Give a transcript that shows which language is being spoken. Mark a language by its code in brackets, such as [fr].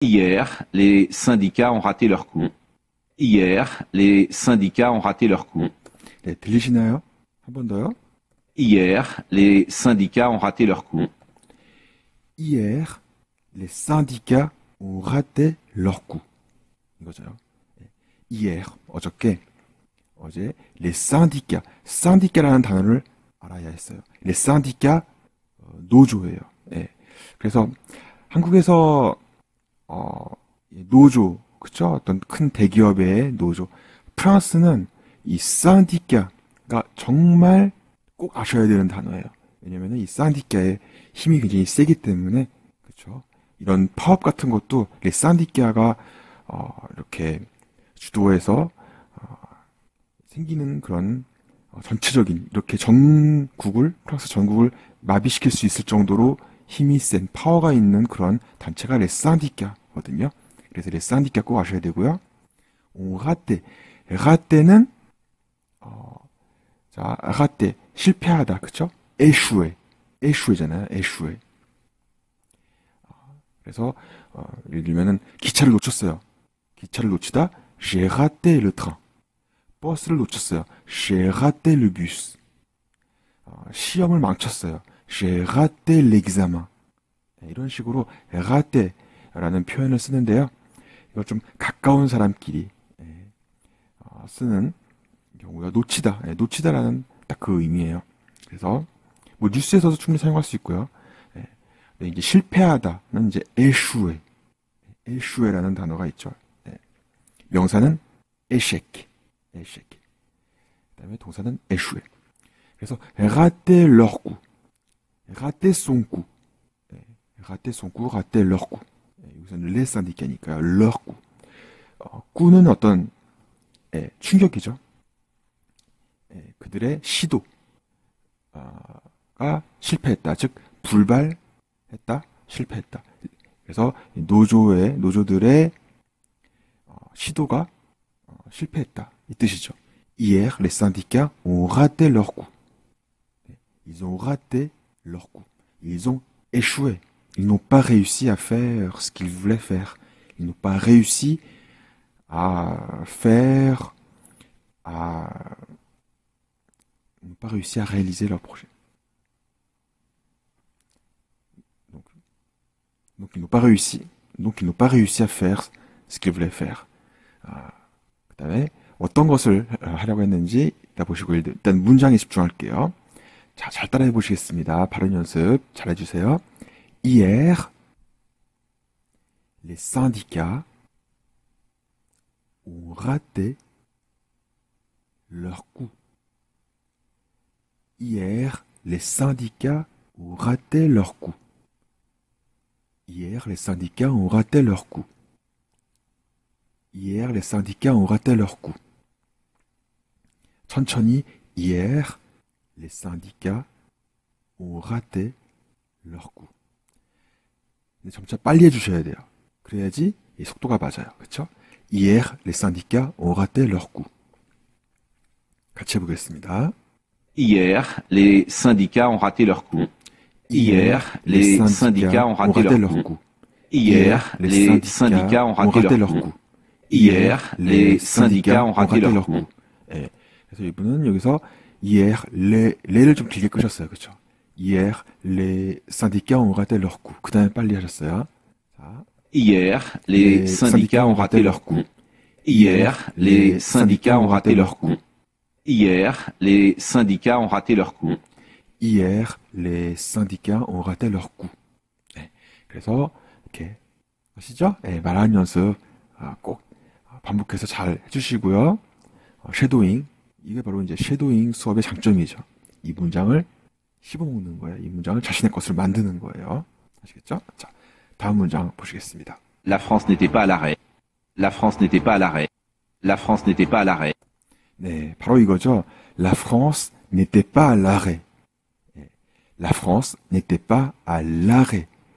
[fr] Hier, les syndicats ont raté leur coup. Hier, les syndicats ont raté leur coup. Les télégénères, un bon d'heure. Hier, les syndicats ont raté leur coup. Hier, les syndicats ont raté leur coup. [ko] Hier, 어저께, 어제, les syndicats, syndicat라는 단어를 알아야 했어요. [fr] Les syndicats, 노조예요. [ko] 예. 그래서 한국에서 노조, 그쵸? 어떤 큰 대기업의 노조. 프랑스는 이 syndicat가 정말 꼭 아셔야 되는 단어예요. 왜냐면 이 syndicat의 힘이 굉장히 세기 때문에, 그쵸? 이런 파업 같은 것도 이 syndicat가 이렇게 주도해서 생기는 그런 전체적인 이렇게 전국을 프랑스 전국을 마비시킬 수 있을 정도로 힘이 센 파워가 있는 그런 단체가 레상디카거든요. 그래서 레상디카 꼭 아셔야 되고요. 오라떼, 라떼는 자 라떼 실패하다, 그렇죠? 에슈에, 에슈에잖아요, 에슈에. 그래서 예를 들면은 기차를 놓쳤어요. 기차를 놓치다 [fr] j'ai raté le train. [ko] 버스를 놓쳤어요. [fr] J'ai raté le bus. [ko] 시험을 망쳤어요. [fr] J'ai raté l'examen. [ko] 이런 식으로 raté라는 표현을 쓰는데요. 이거 좀 가까운 사람끼리 쓰는 경우가 놓치다. 놓치다라는 딱 그 의미예요. 그래서 뭐 뉴스에서도 충분히 사용할 수 있고요. 이제 실패하다는 이제 échoué. échoué라는 단어가 있죠. 명사는 échec. échec. 그다음에 동사는 échoué. [fr] 그래서 raté leur coup. raté son coup. raté son coup, raté leur coup. [ko] 여기서는 [fr] les syndicats니까요. leur coup. [ko] coup는 어떤 충격이죠. 그들의 시도가 실패했다. 즉 불발했다. 실패했다. 그래서 노조의 노조들의 시도가 실패했다. 이 뜻이죠. [fr] Hier, les syndicats ont raté leur coup. Ils ont raté leur coup. Ils ont échoué. Ils n'ont pas réussi à faire ce qu'ils voulaient faire. Ils n'ont pas réussi à réaliser leur projet. Donc ils n'ont pas réussi à faire ce qu'ils voulaient faire. [ko] 그 다음에 어떤 것을 하려고 했는지 이따 보시고 일단 문장에 집중할게요. 자, 잘 따라해 보시겠습니다. 발음 연습 잘 해주세요. [fr] Hier, les syndicats ont raté leur coup. Hier, les syndicats ont raté leur coup. Hier, les syndicats ont raté leur coup. Hier, les syndicats ont raté leur coup. 천천히, hier, les syndicats ont raté leur coup. [ko] 근데 점차 빨리 해주셔야 돼요. 그래야지 이 속도가 맞아요. 그쵸? [fr] Hier, les syndicats ont raté leur coup. [ko] 같이 해보겠습니다. [fr] Hier, les syndicats ont raté leur coup. Hier, les syndicats ont raté leur coup. Hier, les syndicats ont raté leur coup. Hier, les syndicats ont raté leur coup. [ko] 그래서 이분은 여기서 [fr] hier, les [ko] 를 좀 길게 끄셨어요. 그쵸? [fr] Hier, les syndicats ont raté leur coup. [ko] 그 다음에 빨리 하셨어요. 자. [fr] Hier, les syndicats ont raté leur coup. Hier, les syndicats ont raté leur coup. Hier, les syndicats ont raté leur coup. Hier, les syndicats ont raté leur coup. [ko] 네. 그래서, ok. 아시죠? 예, 네, 말하는 연습, 꼭 반복해서 잘 해주시고요. 쉐도잉. 이게 바로 이제 쉐도잉 수업의 장점이죠. 이 문장을 씹어먹는 거예요. 이 문장을 자신의 것을 만드는 거예요. 아시겠죠? 자, 다음 문장 보시겠습니다. [fr] La France n'était pas à l'arrêt. La France n'était pas à l'arrêt. La France n'était pas à l'arrêt. [ko] 네, 바로 이거죠. [fr] La France n'était pas à l'arrêt. La France n'était pas à l'arrêt.